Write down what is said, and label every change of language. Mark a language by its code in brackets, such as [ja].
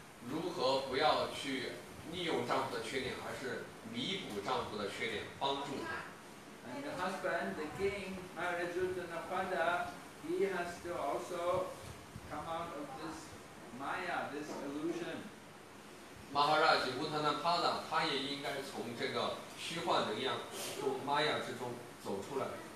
[zh] 如何不要去利用丈夫的缺点，而是弥补丈夫的缺点，帮助他。 [en] And the husband, the king, Maharajutanapada, he has to also come out of this maya, this illusion. [zh] Maharaj Uttanapada, 他也应该从这个虚幻能量中 maya 之中走出来。